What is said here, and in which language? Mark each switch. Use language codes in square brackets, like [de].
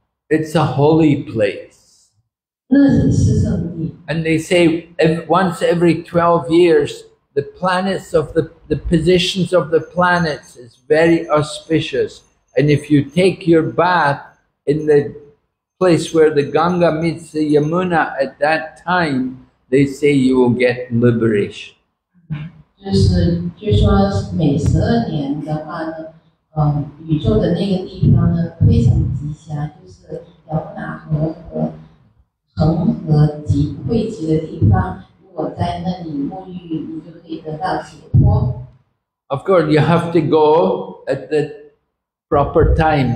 [en] It's a holy place. And they say once every 12 years, the planets of the positions of the planets is very auspicious. And if you take your bath in the place where the Ganga meets the Yamuna at that time, they say you will get liberation. [zh] 就是据说每十二年的话呢，宇宙的那个地方呢非常吉祥，就是辽那河和恒河集汇集的地方。如果在那里沐浴，你就可以得到解脱。Of [en] course, you have to go at the proper time.